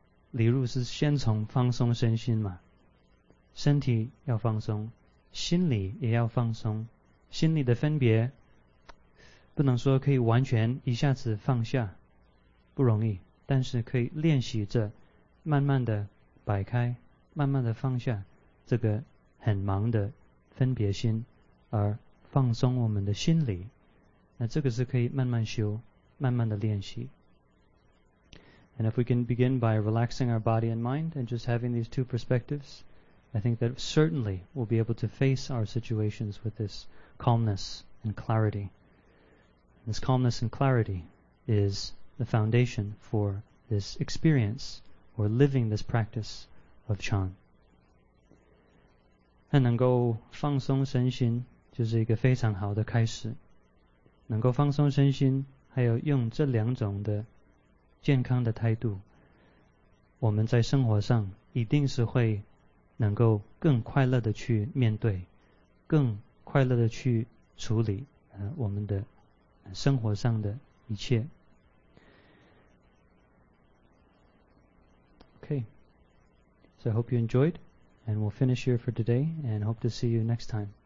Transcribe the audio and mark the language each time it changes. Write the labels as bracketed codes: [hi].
[zh] 礼入是先从放松身心嘛，身体要放松，心理也要放松，心理的分别不能说可以完全一下子放下，不容易，但是可以练习着慢慢的摆开，慢慢的放下这个很忙的分别心，而放松我们的心理，那这个是可以慢慢修，慢慢的练习。 [en] And if we can begin by relaxing our body and mind and just having these two perspectives, I think that certainly we'll be able to face our situations with this calmness and clarity. This calmness and clarity is the foundation for this experience or living this practice of Chan. [zh] 那能够放松身心就是一个非常好的开始。能够放松身心还有用这两种的健康的态度，我们在生活上一定是会能够更快乐的去面对，更快乐的去处理我们的生活上的一切。 [en] Okay, so I hope you enjoyed, and we'll finish here for today, and hope to see you next time.